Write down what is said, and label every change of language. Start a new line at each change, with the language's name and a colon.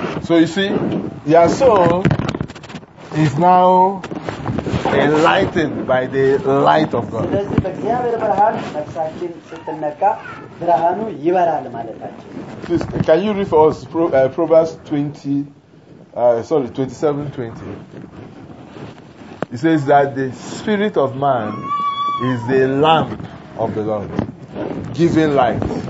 English: so you see your soul is now enlightened by the light of God.
Amharic: ስለዚህ በእግዚአብሔር ብርሃን ነፍሳችን ስትነካ ብርሃኑ ይበራል ማለታችን.
English: Can you read for us Proverbs 27:20. It says that the spirit of man is the lamp of the Lord, giving light.